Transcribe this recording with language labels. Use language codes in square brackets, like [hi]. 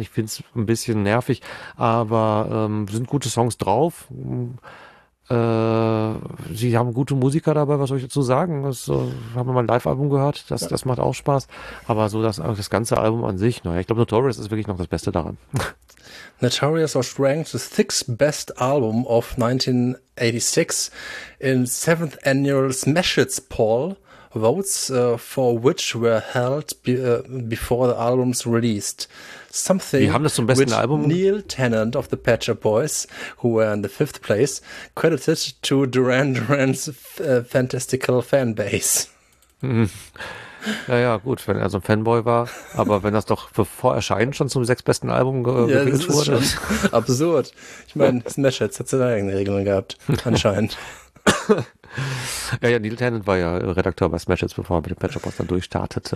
[de] Ich finde es ein bisschen nervig, aber sind gute Songs drauf. Sie haben gute Musiker dabei, was soll ich dazu sagen? Haben wir mal ein Live-Album gehört, das macht auch Spaß. Aber so das ganze Album an sich, naja, ich glaube, Notorious ist wirklich noch das Beste daran. [en] Notorious was ranked the sixth best album of 1986 in seventh annual Smashits poll. Votes for which were held before the album's released. Something [de] wir haben das zum besten Album. [en] Neil Tennant of the Pet Shop Boys, who were in the fifth place, credited to Duran Duran's fantastical fanbase. [de] Ja, gut, wenn er so ein Fanboy war. Aber wenn das doch vor Erscheinen schon zum 6. besten Album gewählt wurde. Ja, das ist schon absurd. Ich meine, Smash Hits hat seine eigene Regelung gehabt, anscheinend. Ja, Neil Tennant war ja Redakteur bei Smash Hits, bevor er mit dem Pet Shop Boys dann durchstartete.